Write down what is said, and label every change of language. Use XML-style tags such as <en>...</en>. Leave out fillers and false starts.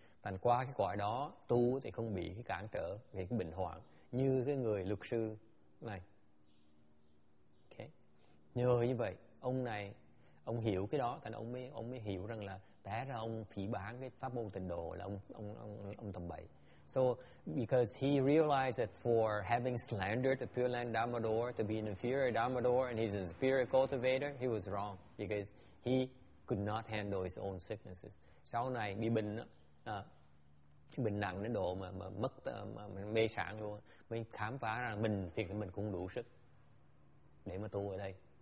<vi>Thành qua cái cõi đó tu thì không bị cái cản trở về cái bệnh hoạn như cái người luật sư này. Okay. Nhờ như vậy ông này ông hiểu cái đó, thành ông mới hiểu rằng là té ra ông phỉ báng cái pháp môn tịnh độ là ông tầm bậy.</vi> <en>So because he realized that for having slandered the Pure Land Dharma Door to be an inferior Dharma Door and he's an inferior cultivator, he was wrong because he could not handle his own sicknesses.</en> <vi>Sau này bị bệnh bệnh nặng đến độ mà mất mà mê sản luôn, mới khám phá rằng mình thì mình cũng đủ sức để mà tu ở đây.</vi>